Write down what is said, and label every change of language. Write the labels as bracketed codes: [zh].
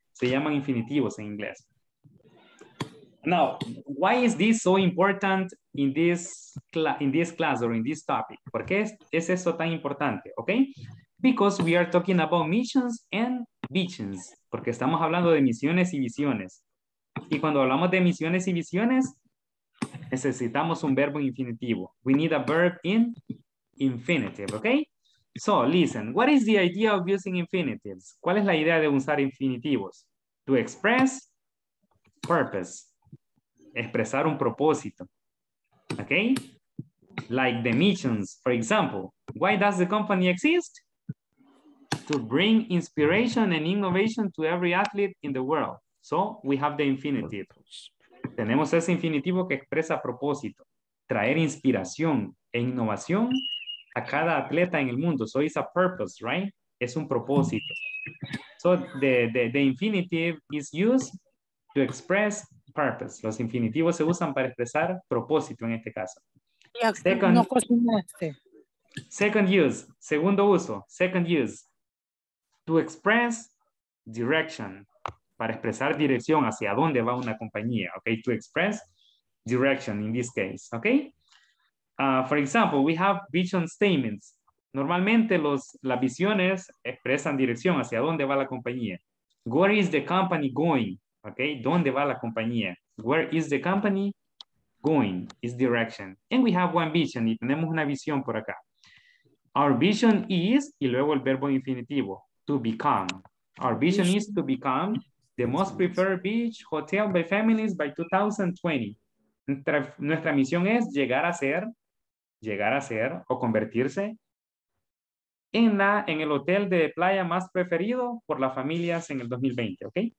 [es] Se llaman infinitivos en inglés. [en] Now, why is this so important in this class or in this topic? [es] ¿Por qué es eso tan importante, [en] okay? Because we are talking about missions and visions. [es] Porque estamos hablando de misiones y visiones. Y cuando hablamos de misiones y visiones, necesitamos un verbo infinitivo. [en] We need a verb in infinitive, okay? So, listen, what is the idea of using infinitives? [es] ¿Cuál es la idea de usar infinitivos? [en] To express purpose. [es] Expresar un propósito. [en] Okay? Like the missions, for example. Why does the company exist? To bring inspiration and innovation to every athlete in the world. So, we have the infinitive. [es] Tenemos ese infinitivo que expresa propósito. Traer inspiración e innovación a cada atleta en el mundo. [en] So it's a purpose, right? [es] Es un propósito. [en] So the infinitive is used to express purpose. [es] Los infinitivos se usan para expresar propósito en este caso. [en] Second, [es] no cocinaste. [en] Second use, [es] segundo uso, [en] second use, to express direction, [es] para expresar dirección hacia dónde va una compañía, okay? [en] To express direction in this case, okay? For example, we have vision statements. [es] Normalmente las visiones expresan dirección hacia dónde va la compañía. [en] Where is the company going? Okay, [es] ¿dónde va la compañía? [en] Where is the company going? Is direction. And we have one vision, [es] y tenemos una visión por acá. [en] Our vision is, [es] y luego el verbo infinitivo, [en] to become. Our vision is to become the most preferred beach hotel by families by 2020. [es] Nuestra misión es llegar a ser o convertirse en el hotel de playa más preferido por las familias en el 2020, ¿ok?